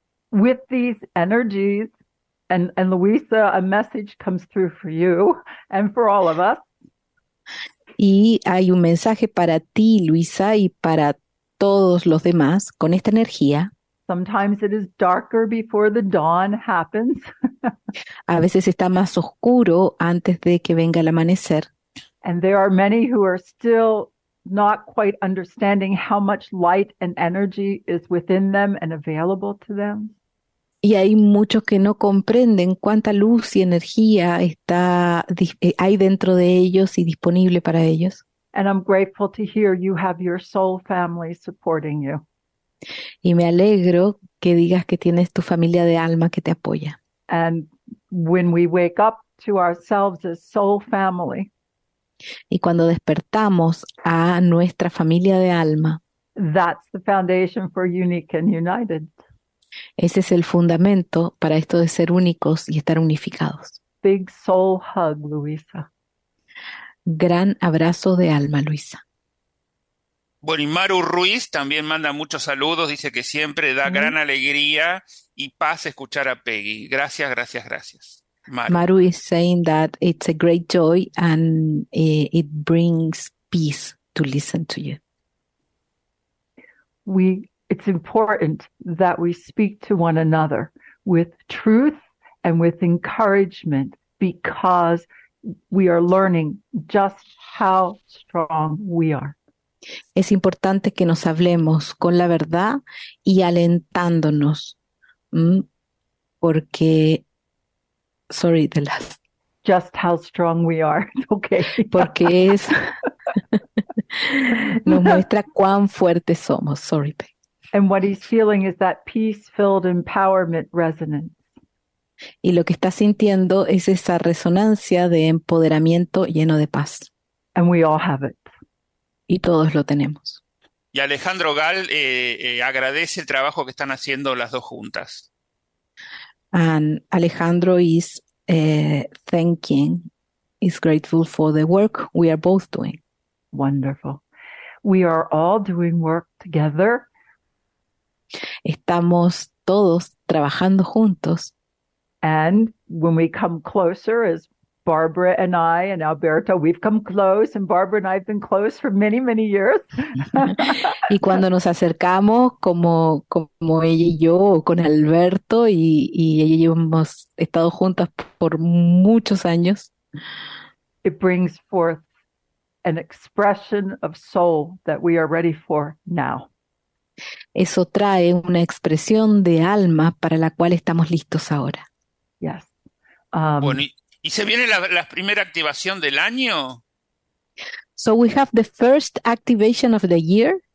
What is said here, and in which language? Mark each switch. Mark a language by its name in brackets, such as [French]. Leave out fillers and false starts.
[English] With these energies, and Louisa, a message comes through for you and for all of us. [Spanish] Y hay un mensaje para ti, Luisa, y para todos los demás con esta energía. [English] Sometimes it is darker before the dawn happens. [Spanish] A veces está más oscuro antes de que venga el amanecer. [English] And there are many who are still not quite understanding how much light and energy is within them and available to them. [Spanish] Y hay muchos que no comprenden cuánta luz y energía está hay dentro de ellos y disponible para ellos. [English] And I'm grateful to hear you have your soul family supporting you. [Spanish] Y me alegro que digas que tienes tu familia de alma que te apoya. [English] And when we wake up to ourselves as soul family, [Spanish] y cuando despertamos a nuestra familia de alma, [English] that's the foundation for unique and united. [Spanish] Ese es el fundamento para esto de ser únicos y estar unificados. [English] Big soul hug, Luisa. [Spanish] Gran abrazo de alma, Luisa. Bueno, y Maru Ruiz también manda muchos saludos, dice que siempre da gran alegría y paz escuchar a Peggy. Gracias, gracias, gracias. Maru. [English] Maru is saying that it's a great joy and it brings peace to listen to you. It's important that we speak to one another with truth and with encouragement because we are learning just how strong we are. [Spanish] Es importante que nos hablemos con la verdad y alentándonos, porque, [English] sorry, the last. Just how strong we are, okay. [Spanish] Porque es, nos muestra cuán fuertes somos, sorry. [English] And what he's feeling is that peace-filled empowerment resonance. [Spanish] Y lo que está sintiendo es esa resonancia de empoderamiento lleno de paz. [English] And we all have it. [Spanish] Y todos lo tenemos. Y Alejandro Gal agradece el trabajo que están haciendo las dos juntas. [English] And Alejandro is thanking, is grateful for the work we are both doing. Wonderful. We are all doing work together. [Spanish] Estamos todos trabajando juntos. [English] And when we come closer as Barbara and I and Alberto, we've come close, and Barbara and I have been close for many, many years. [Spanish] Y cuando nos acercamos, como ella y yo, con Alberto, y ella hemos estado juntas por muchos años. [English] It brings forth an expression of soul that we are ready for now. [Spanish] Eso trae una expresión de alma para la cual estamos listos ahora. [English] Yes. [Spanish] Bueno, ¿Y se viene la primera activación del año? [English] So we have the first activation of the year.